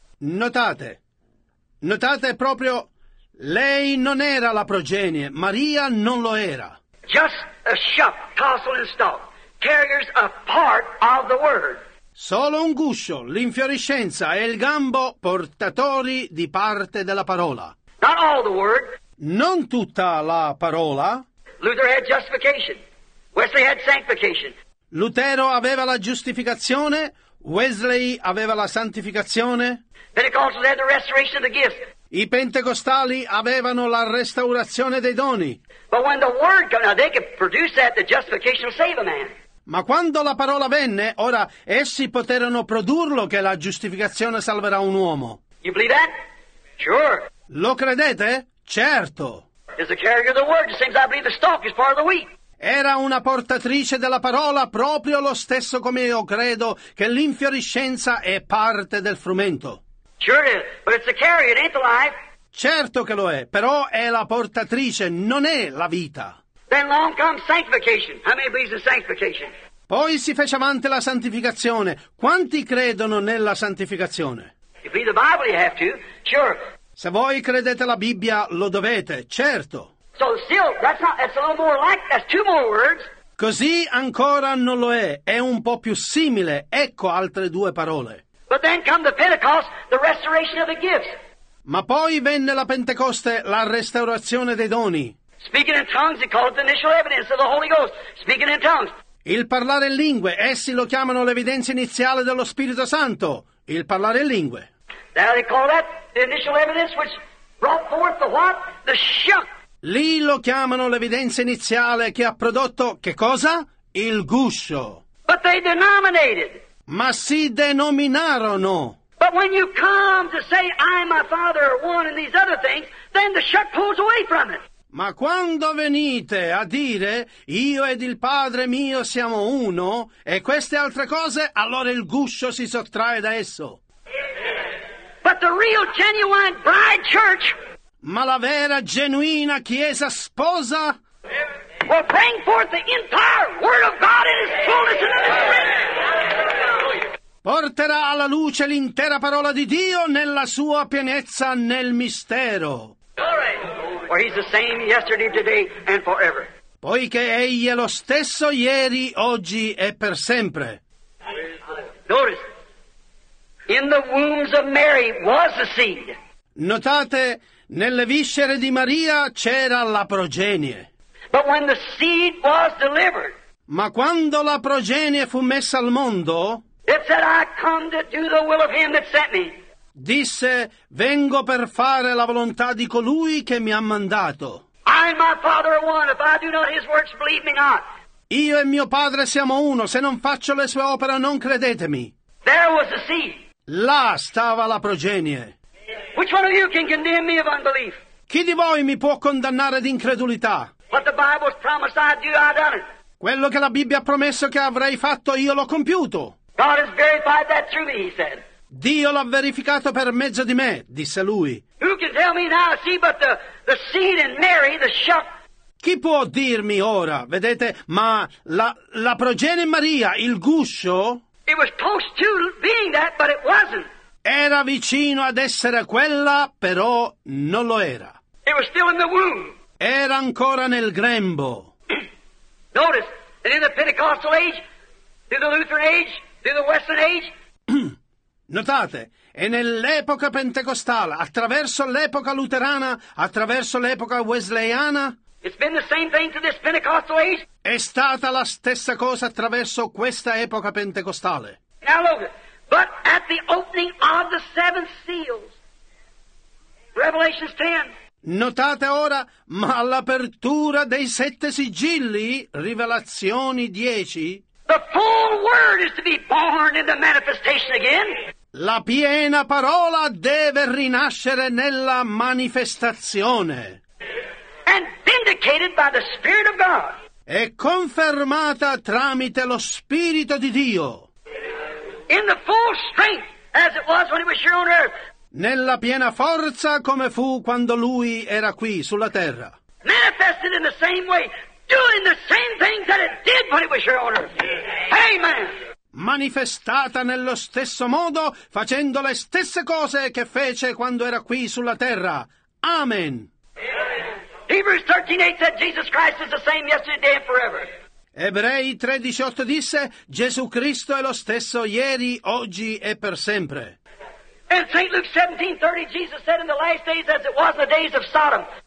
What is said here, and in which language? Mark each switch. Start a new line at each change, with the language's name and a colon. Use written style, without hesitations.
Italian: Notate proprio, lei non era la progenie, Maria non lo era.
English: Just a shuck, tossle and stalk, carriers a part of the word.
Italian: Solo un guscio, l'infioriscenza e il gambo, portatori di parte della parola.
English: Not all the word.
Italian: Non tutta la parola.
English: Luther had justification. Wesley had sanctification.
Italian: Lutero aveva la giustificazione. Wesley aveva la santificazione.
English: Pentecostals had the restoration of the gifts.
Italian: I pentecostali avevano la restaurazione dei doni.
English: But when the word came, now they could produce that, the justification will save a man.
Italian: Ma quando la parola venne, ora essi poterono produrlo che la giustificazione salverà un uomo.
English: You believe that? Sure.
Italian: Lo credete? Certo.
English: It's a carrier of the word, just as I believe the stalk is part of the wheat.
Italian: Era una portatrice della parola, proprio lo stesso come io credo che l'infiorescenza è parte del frumento.
English: Sure is, but it's a carrier, it ain't the life.
Italian: Certo che lo è, però è la portatrice, non è la vita.
English: Then long comes sanctification. How many believes in sanctification?
Italian: Poi si fece avanti la santificazione. Quanti credono nella santificazione?
English: If you read the Bible, you have to. Sure.
Italian: Se voi credete la Bibbia, lo dovete, certo.
English: So still, that's a little more like, that's two more words.
Italian: Così ancora non lo è un po' più simile, ecco altre due parole.
English: But then come the Pentecost, the restoration of the gifts.
Italian: Ma poi venne la Pentecoste, la restaurazione dei doni.
English: Speaking in tongues, they call it the initial evidence of the Holy Ghost. Speaking in tongues.
Italian: Il parlare in lingue, essi lo chiamano l'evidenza iniziale dello Spirito Santo. Il parlare in lingue.
English: Now they call that the initial evidence which brought forth the what? The shuck.
Italian: Lì lo chiamano l'evidenza iniziale che ha prodotto, che cosa? Il guscio.
English: But they denominated.
Italian: Ma si denominarono.
English: But when you come to say, I and my Father are one and these other things, then the shuck pulls away from it.
Italian: Ma quando venite a dire, io ed il Padre mio siamo uno, e queste altre cose, allora il guscio si sottrae da esso.
English: But the real genuine bride church.
Italian: Ma la vera, genuina Chiesa sposa
English: will bring forth the entire Word of God in its fullness and its strength.
Italian: Porterà alla luce l'intera parola di Dio nella sua pienezza nel mistero.
English: For he's the same yesterday, today, and forever.
Italian: Poiché egli è lo stesso ieri, oggi e per sempre.
English: Notice, in the wombs of Mary was the seed.
Italian: Notate, nelle viscere di Maria c'era la progenie.
English: But when the seed was delivered,
Italian: ma quando la progenie fu messa al mondo,
English: it said, I come to do the will of him that sent me.
Italian: Disse, vengo per fare la volontà di colui che mi ha mandato.
English: I and my Father are one. If I do not his works, believe me not.
Italian: Io e mio Padre siamo uno. Se non faccio le sue opere, non credetemi.
English: There was the seed.
Italian: Là stava la progenie.
English: Which one of you can condemn me of unbelief?
Italian: Chi di voi mi può condannare di incredulità?
English: What the Bible's promised I do, I done it.
Italian: Quello che la Bibbia ha promesso che avrei fatto, io l'ho compiuto.
English: God has verified that through me, he said.
Italian: Dio l'ha verificato per mezzo di me, disse lui.
English: Who can tell me now, see, but the seed in Mary, the shuck.
Italian: Chi può dirmi ora, vedete, ma la progenie in Maria, il guscio,
English: it was close to being that, but it wasn't.
Italian: Era vicino ad essere quella, però non lo era.
English: It was still in the womb.
Italian: Era ancora nel grembo.
English: Notice that in the Pentecostal age, through the Lutheran age, through the Western age,
Italian: notate, e nell'epoca pentecostale, attraverso l'epoca luterana, attraverso l'epoca wesleyana,
English: it's been the same thing to this Pentecostal age.
Italian: È stata la stessa cosa attraverso questa epoca pentecostale.
English: Now look, but at the opening of the seven seals, Revelation 10.
Italian: Notate ora, ma all'apertura dei sette sigilli, Rivelazioni 10.
English: The full word is to be born in the manifestation again.
Italian: La piena parola deve rinascere nella manifestazione.
English: And vindicated by the Spirit of God.
Italian: E confermata tramite lo Spirito di Dio.
English: In the full strength as it was when he was here on earth.
Italian: Nella piena forza come fu quando lui era qui sulla terra.
English: Manifested in the same way. Doing the same things that it did when it was here on earth. Amen.
Italian: Manifestata nello stesso modo, facendo le stesse cose che fece quando era qui sulla terra. Amen.
English: Hebrews 13:8 said Jesus Christ is the same yesterday and forever.
Italian: Ebrei 13:8 disse Gesù Cristo è lo stesso ieri, oggi e per sempre.
English: And St. Luke 17:30 Jesus said in the last days as it was in the days of Sodom.